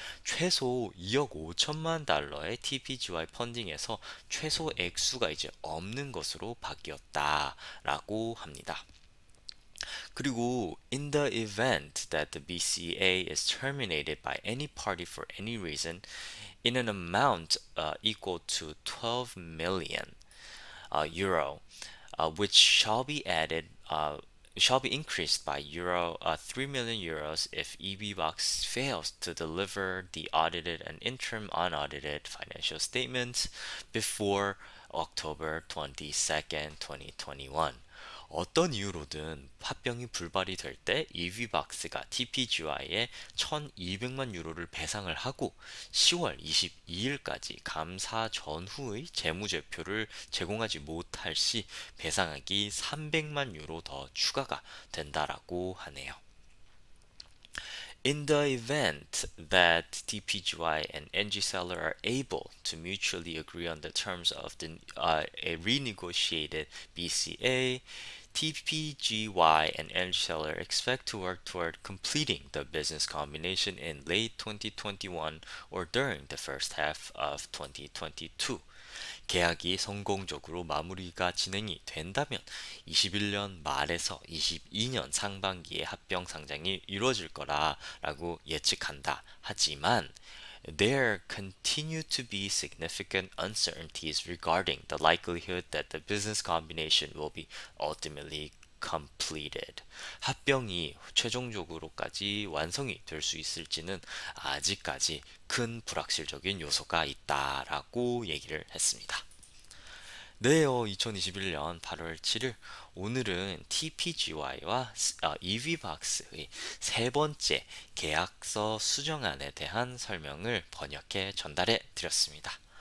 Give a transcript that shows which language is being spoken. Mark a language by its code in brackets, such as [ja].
[ko] 최소 2억 5천만 달러의 TPGY 펀딩에서 최소 액수가 이제 없는 것으로 바뀌었다라고 합니다. 그리고 [en] in the event that the BCA is terminated by any party for any reason in an amount equal to 12 million euro which shall be added shall be increased by euro 3 million euros if EVBox fails to deliver the audited and interim unaudited financial statements before October 22nd, 2021. [ko] 어떤 이유로든 화병이 불발이 될때 EVBox가 TPGY에 1200만 유로를 배상을 하고 10월 22일까지 감사 전후의 재무제표를 제공하지 못할 시 배상액이 300만 유로 더 추가가 된다라고 하네요. [en] In the event that TPGY and NG seller are able to mutually agree on the terms of the a renegotiated BCA, TPGY and NG seller expect to work toward completing the business combination in late 2021 or during the first half of 2022. [ko] 계약이 성공적으로 마무리가 진행이 된다면 21년 말에서 22년 상반기에 합병 상장이 이루어질 거라라고 예측한다. 하지만 [en] There continue to be significant uncertainties regarding the likelihood that the business combination will be ultimately completed. [ko] 합병이 최종적으로까지 완성이 될수 있을지는 아직까지 큰 불확실적인 요소가 있다라고 얘기를 했습니다. 네요. 2021년 8월 7일 오늘은 TPGY와 EVBox의 세 번째 계약서 수정안에 대한 설명을 번역해 전달해 드렸습니다.